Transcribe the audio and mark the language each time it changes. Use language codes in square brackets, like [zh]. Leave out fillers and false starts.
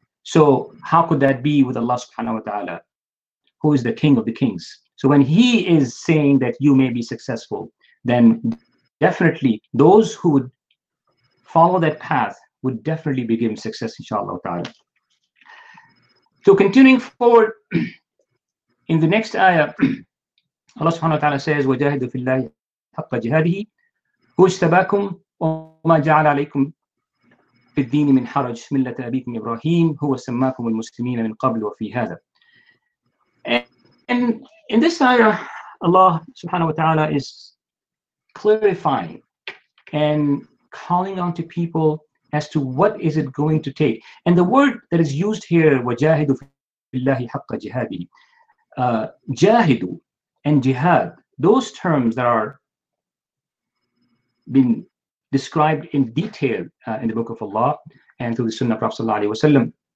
[en] So how could that be with Allah subhanahu wa ta'ala, who is the king of the kings? So when he is saying that you may be successful, then definitely those who would follow that path would definitely be given success, inshallah ta'ala. So continuing forward, in the next ayah, Allah subhanahu wa ta'ala says, [ar] وَجَاهِدُ فِي اللَّهِ حَقَّ جِهَادِهِ وَاجْتَبَاكُمْ وَمَا جَعَلَ عَلَيْكُمْ فِي الدِّينِ مِنْ حَرَجٍ مِلَّةَ أَبِيكُمْ إِبْرَاهِيمُ هُوَ سَمَّاكُمْ الْمُسْلِمِينَ مِنْ قَبْلُ وَفِي هَذَا. [en] And in this ayah, Allah subhanahu wa ta'ala is clarifying and calling on to people as to what is it going to take. And the word that is used here, [ar] وَجَاهِدُ فِي اللَّهِ حَقَّ جِهَادِهِ, [en] جَاهِدُ and jihad, those terms that are been described in detail in the book of Allah and through the Sunnah of Prophet Sallallahu Alaihi Wasallam.